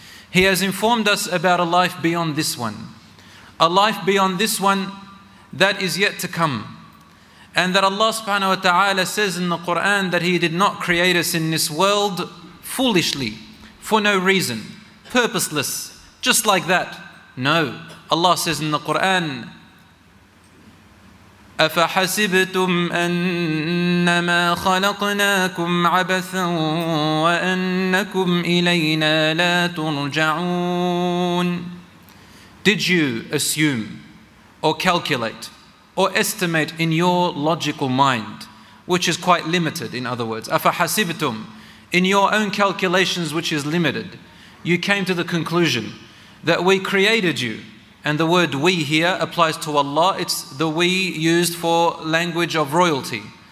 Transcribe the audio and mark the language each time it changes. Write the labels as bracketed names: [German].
[English] He has informed us about a life beyond this one, a life beyond this one that is yet to come, and that Allah subhanahu wa ta'ala says in the Quran that he did not create us in this world foolishly, for no reason, purposeless, just like that. No. Allah says in the Quran, [Arabic] أَفَحَسِبْتُمْ أَنَّمَا خَلَقْنَاكُمْ عَبَثًا وَأَنَّكُمْ إِلَيْنَا لَا تُرْجَعُونَ. [English] Did you assume or calculate or estimate in your logical mind, which is quite limited in other words, أَفَحَسِبْتُمْ, in your own calculations which is limited, you came to the conclusion that we created you, and the word we here applies to Allah, it's the we used for language of royalty.